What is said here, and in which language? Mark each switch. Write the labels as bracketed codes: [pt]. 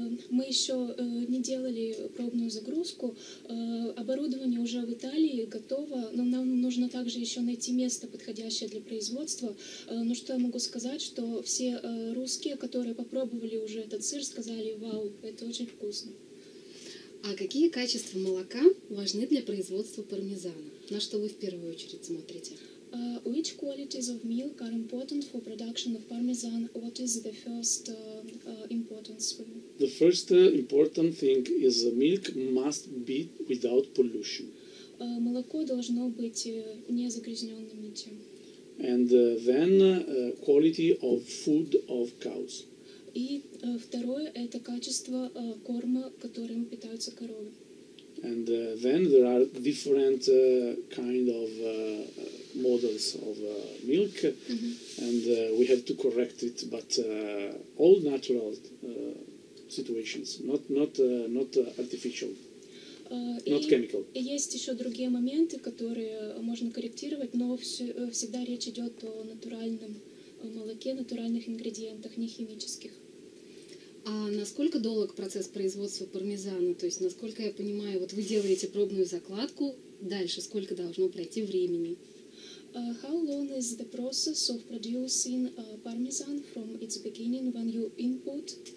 [ru] Мы еще не делали пробную загрузку. Оборудование уже в Италии готово, но нам нужно также еще найти место, подходящее для производства. Но что я могу сказать, что все русские, которые попробовали уже этот сыр, сказали, вау, это очень вкусно. А какие качества молока важны для производства пармезана? На что вы в первую очередь смотрите? [en] Which qualities of milk are important for production of parmesan? What is the first importance for you? The first important thing is the milk must be without pollution. [ru] Молоко должно быть не загрязненным ничем. [en] And then quality of food of cows. [ru] И второе – это качество корма, которым питаются коровы. [en] And then there are different kind of models of milk, and we have to correct it. But all natural situations, not artificial, not chemical. [ru] Есть еще другие моменты, которые можно корректировать, но всегда речь идет о натуральном молоке, натуральных ингредиентах, не химических. А насколько долог процесс производства пармезана? То есть, насколько я понимаю, вот вы делаете пробную закладку, дальше сколько должно пройти времени? [en] How long is the process of producing parmesan from its beginning when you input?